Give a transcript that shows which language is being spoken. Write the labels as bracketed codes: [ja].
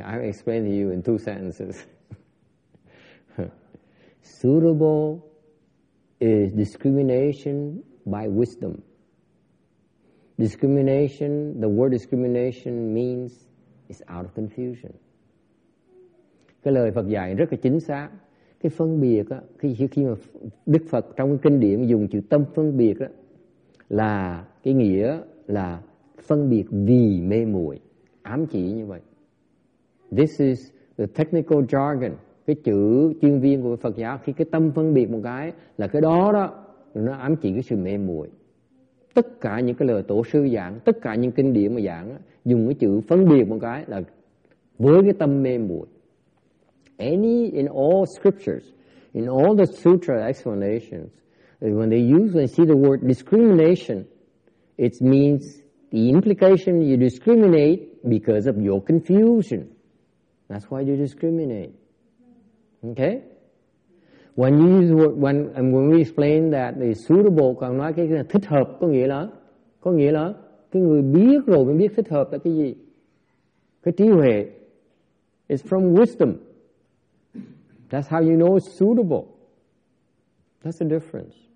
[en] I'll explain to you in two sentences. Suitable is discrimination by wisdom. Discrimination, the word discrimination means it's out of confusion. [vi] Cái lời Phật dạy rất là chính xác. Cái phân biệt á, khi mà Đức Phật trong cái kinh điển dùng chữ tâm phân biệt á, là cái nghĩa là phân biệt vì mê muội, ám chỉ như vậy. [en] This is the technical jargon. [vi] Cái chữ chuyên viên của Phật giáo khi cái tâm phân biệt một cái là cái đó nó ám chỉ cái sự mê muội. Tất cả những cái lời tổ sư giảng, tất cả những kinh điển mà giảng á, dùng cái chữ phân biệt một cái là với cái tâm mê muội. [en] Any in all scriptures, in all the sutra explanations, when they use and see the word discrimination, it means the implication you discriminate because of your confusion. That's why you discriminate. Okay? When you use the word, when we explain that the suitable, [vi] còn nói cái là thích hợp có nghĩa là cái người biết rồi mới biết thích hợp là cái gì? Cái trí huệ. [en] It's from wisdom. That's how you know it's suitable. That's the difference.